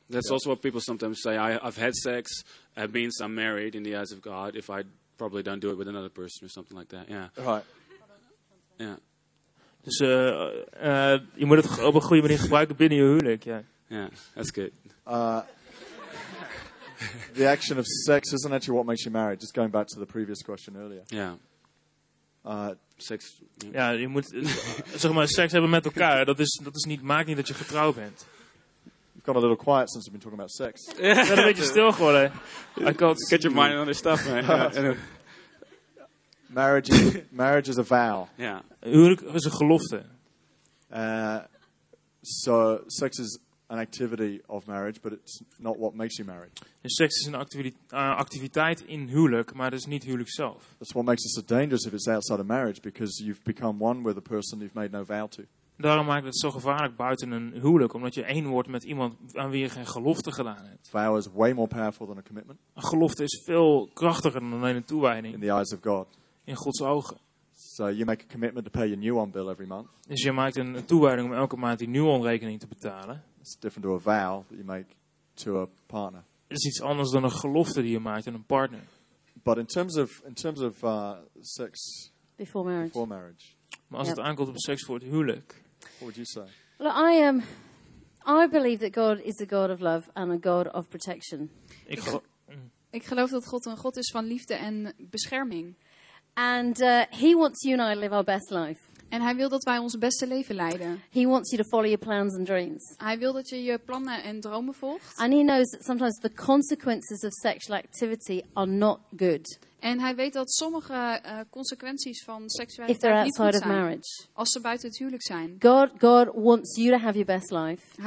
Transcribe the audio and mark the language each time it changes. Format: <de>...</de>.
<en>That's also what people sometimes say. I've had sex, it means I'm married in the eyes of God, if I probably don't do it with another person or something like that. Yeah. Right. Yeah.</en> <nl>Dus je moet het op een goede manier gebruiken binnen je huwelijk. Yeah, that's good.</nl> <en>The action of sex isn't actually what makes you married. Just going back to the previous question earlier. Yeah. Sex.</en> <nl>Ja, je moet zeg maar seks hebben met elkaar. Dat is niet maakt niet dat je getrouwd bent.</nl> <en>You've got a little quiet since we've been talking about sex.</en> <nl>Ik ben een beetje stil geworden.</nl> <en>I can't get your mind on other stuff, man. marriage is a vow. Yeah.</en> <nl>Huwelijk is een gelofte.</nl> <en>So sex is an activity of marriage, but it's not what makes you married.</en> <nl>En seks is een activiteit in huwelijk, maar dat is niet huwelijk zelf.</nl> <en>That's what makes it so dangerous if it's outside of marriage, because you've become one with a person you've made no vow to.</en> <nl>Daarom maakt het zo gevaarlijk buiten een huwelijk, omdat je één wordt met iemand aan wie je geen gelofte gedaan hebt.</nl> <en>Vow is way more powerful than a commitment.</en> <nl>Een gelofte is veel krachtiger dan alleen een toewijding.</nl> <en>In the eyes of God.</en> <nl>In Gods ogen.</nl> <en>So you make a commitment to pay your new on bill every month.</en> <nl>Dus je maakt een toewijding om elke maand die new on rekening te betalen.</nl> <en>It's different to a vow that you make to a partner.</en> <nl>Het is iets anders dan een gelofte die je maakt aan een partner.</nl> <en>But in terms of sex before marriage.</en> <nl>Maar als het aankomt op seks voor het huwelijk.</nl> <en>What would you say? Look, I believe that God is a God of love and a God of protection.</en> <nl>Ik geloof dat God een God is van liefde en bescherming.</nl> <en>And he wants you and I to live our best life.</en> <nl>En hij wil dat wij ons beste leven leiden.</nl> <en>He wants you to follow your plans and dreams.</en> <nl>Hij wil dat je je plannen en dromen volgt.</nl> <en>And he knows that sometimes the consequences of sexual activity are not good.</en> <nl>En hij weet dat sommige consequenties van seksualiteit niet goed zijn.</nl> <en>Of marriage.</en> <nl>Als ze buiten het huwelijk zijn.</nl> <en>God wants you to have your best life.</en>